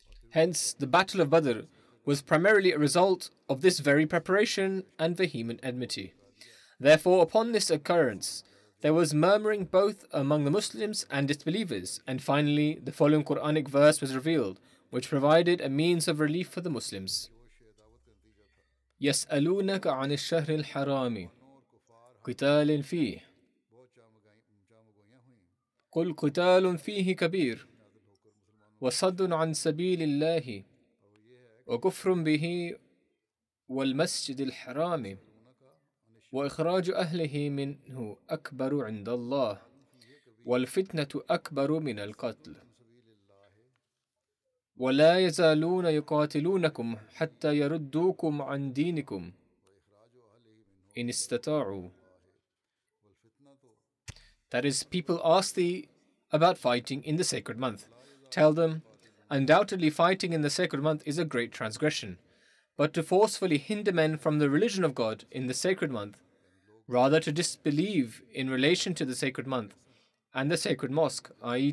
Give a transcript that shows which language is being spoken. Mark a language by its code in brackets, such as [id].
[en] Hence, the Battle of Badr was primarily a result of this very preparation and vehement enmity. Therefore, upon this occurrence, there was murmuring both among the Muslims and disbelievers, and finally, the following Quranic verse was revealed, which provided a means of relief for the Muslims. [ar] يَسْأَلُونَكَ عَنِ الشَّهْرِ الْحَرَامِ قِتَالٍ فِيهِ قُلْ قِتَالٌ فِيهِ كَبِيرٌ وَصَدٌ عَنْ سَبِيلِ اللَّهِ وَكُفْرٌ بِهِ وَالْمَسْجِدِ الْحَرَامِ وإخراج أهله منه أكبر عند الله والفتنة أكبر من القتل ولا يزالون يقاتلونكم حتى يردوكم عن دينكم إن استطاعوا. [en] That is, people ask thee about fighting in the sacred month. Tell them, undoubtedly fighting in the sacred month is a great transgression, but to forcefully hinder men from the religion of God in the sacred month, rather to disbelieve in relation to the sacred month and the sacred mosque, i.e.